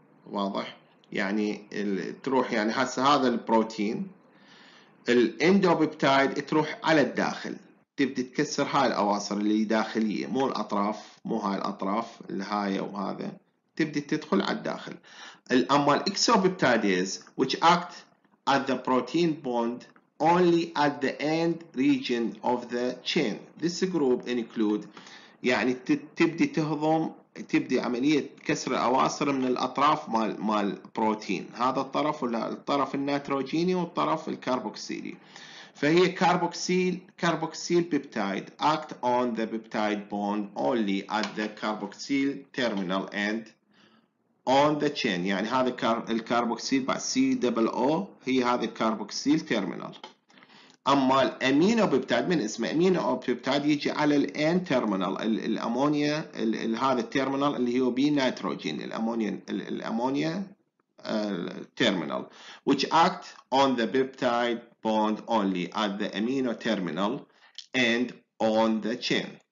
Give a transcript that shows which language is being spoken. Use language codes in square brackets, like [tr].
[ar] واضح؟ يعني تروح يعني هسه هذا البروتين الاندوبيبتايد تروح على الداخل تبدي تكسر هاي الاواصر اللي داخليه، مو الاطراف، مو هاي الاطراف الهاي وهذا، تبدي تدخل على الداخل. اما [en] الاكسوبيبتايدز which act at the protein bond only at the end region of the chain. This group include [ar] يعني تبدي تهضم تبدي عمليه كسر الاواصر من الاطراف مال بروتين، هذا الطرف ولا الطرف النيتروجيني والطرف الكربوكسيلي. فهي [en] Carboxyl peptide act on the peptide bond only at the carboxyl terminal end on the chain. [ar] يعني هذا الكربوكسيل بعد سي دبل او هي هذا الكربوكسيل تيرمينال. اما الامينو بيبتايد من اسمه امينو بيبتايد يجي على الان تيرمينال الامونيا هذا التيرمينال اللي هو بي نيتروجين الامونيا تيرمينال [en] which act on the peptide bond only at the amino terminal and on the chain.